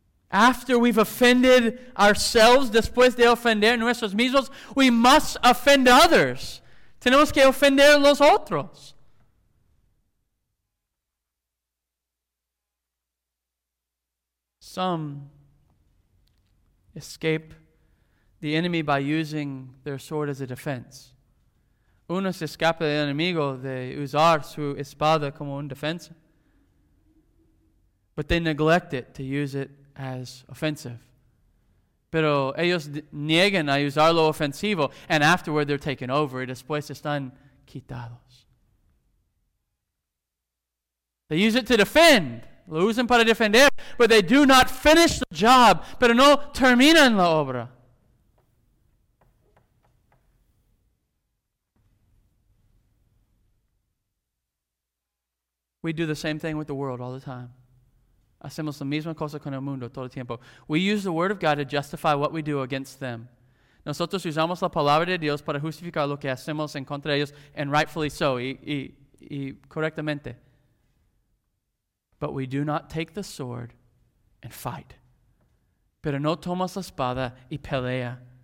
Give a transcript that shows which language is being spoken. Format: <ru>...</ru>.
<en>After we've offended ourselves,</en> <es>después de ofender nuestros mismos,</es> <en>we must offend others.</en> <es>Tenemos que ofender los otros.</es> <en>Some escape the enemy by using their sword as a defense.</en> <es>Unos escapan del enemigo de usar su espada como un defensa.</es> <en>But they neglect it to use it as offensive.</en> <es>Pero ellos niegan a usar lo ofensivo,</es> <en>and afterward they're taken over,</en> <es>y después están quitados.</es> <en>They use it to defend.</en> <es>Lo usan para defender,</es> <en>but they do not finish the job,</en> <es>pero no terminan la obra.</es> <en>We do the same thing with the world all the time.</en> <es>Hacemos la misma cosa con el mundo todo el tiempo.</es> <en>We use the word of God to justify what we do against them.</en> <es>Nosotros usamos la palabra de Dios para justificar lo que hacemos en contra de ellos,</es> <en>and rightfully so,</en> <es>y correctamente.</es> <en>But we do not take the sword and fight.</en> <es>Pero no tomas la espada y pelea.</es>